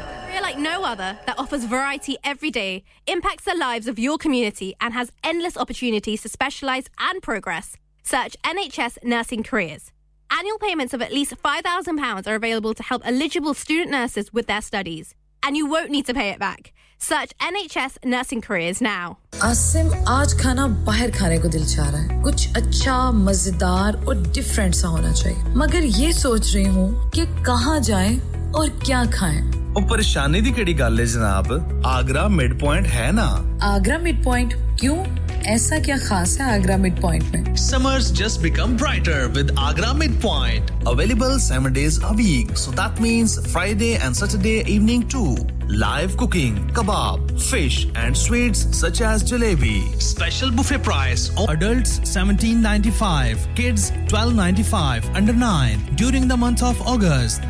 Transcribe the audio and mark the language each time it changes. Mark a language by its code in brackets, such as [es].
[en] We're like no other that offers variety every day, impacts the lives of your community and has endless opportunities to specialise and progress. Search NHS Nursing Careers. Annual payments of at least £5,000 are available to help eligible student nurses with their studies. And you won't need to pay it back. Search NHS Nursing Careers now. [hi] Asim, आज खाना बाहर खाने को दिल चाह रहा है। कुछ अच्छा, मजेदार और different सा होना चाहिए। मगर ये सोच रही हूँ कि कहाँ जाएं और क्या खाएं। [pa] ओ परेशानी दी केड़ी गल है जनाब? आगरा midpoint है ना? [hi] आगरा midpoint क्यों? ऐसा क्या खास है आगरा midpoint में? [en] Summers just become brighter with Agra midpoint. Available 7 days a week, so that means Friday and Saturday evening too. Live cooking, kebab, fish and sweets such as jalebi. Special buffet price. Adults 17.95, kids 12.95, under 9, during the month of August.